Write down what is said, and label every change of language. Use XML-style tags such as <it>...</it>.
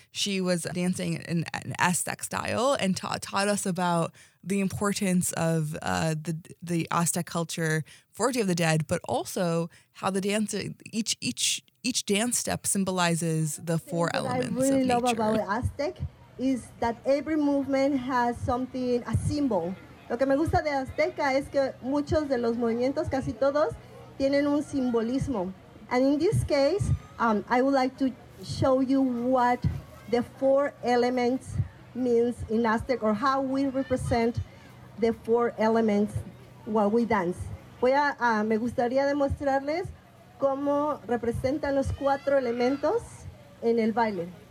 <en>She was dancing in an Aztec style and taught us about the importance of the Aztec culture for Day of the Dead, but also how the dance, each dance step symbolizes the four elements. What I really love about Aztec is that every movement has something, a symbol.</en> <es>Lo que me gusta de Azteca es que muchos de los movimientos, casi todos, tienen un simbolismo.</es> <en>And in this case, I would like to show you what the four elements means in Aztec, or how we represent the four elements while we dance.</en> <es>Me gustaría demostrarles cómo representan los cuatro elementos en el baile.</es>